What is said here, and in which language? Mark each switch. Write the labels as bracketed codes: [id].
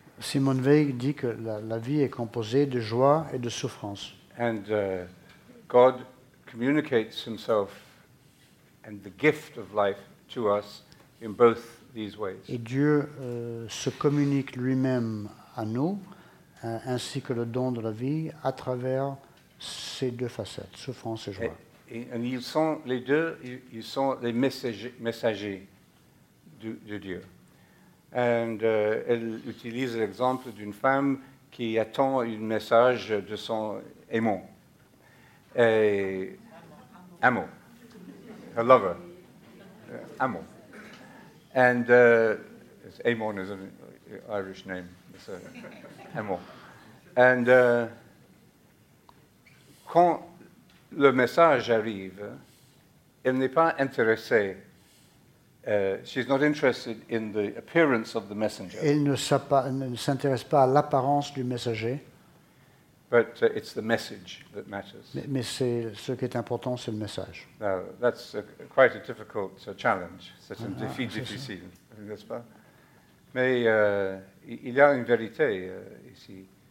[fr] Simone Weil dit que la vie est composée de joie et de souffrance. [en] And God communicates himself and the gift of life to us in both these ways. [fr] Et Dieu se communique lui-même à nous ainsi que le don de la vie à travers ces deux facettes, souffrance et joie. Et ils sont les deux, ils sont les messagers de Dieu. Et elle utilise l'exemple d'une femme qui attend un message de son aimant. [en] Amour. Her lover. Amour. And Amour is an Irish name. Amour. [fr] And quand le message arrive, elle n'est pas intéressée. [en] She's not interested in the appearance of the messenger. [fr] Elle ne s'intéresse pas à l'apparence du messager. [en] But it's the message that matters. [fr] Mais c'est ce qui est important, c'est le message. [en] Now, that's quite a difficult challenge. [fr] C'est un défi difficile, n'est-ce pas? Mais il y a une vérité ici.